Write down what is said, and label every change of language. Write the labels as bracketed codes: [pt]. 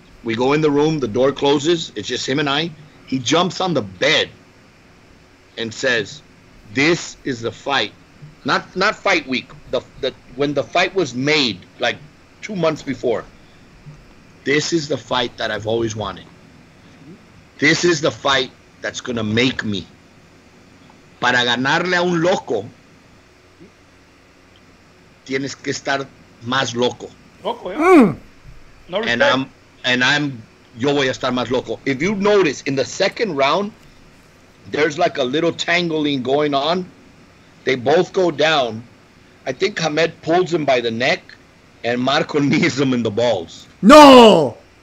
[en] We go in the room, the door closes, it's just him and I. He jumps on the bed and says, this is the fight. Not fight week, when the fight was made, like 2 months before. This is the fight that I've always wanted. This is the fight that's going to make me. [es] Para ganarle a un loco, tienes que estar más loco. [en] Loco, yeah. Mm. And I'm, [es] yo voy a estar más loco. [en] If you notice, in the second round, there's like a little tangling going on. They both go down. I think Hamed pulls him by the neck, and Marco knees him in the balls. No!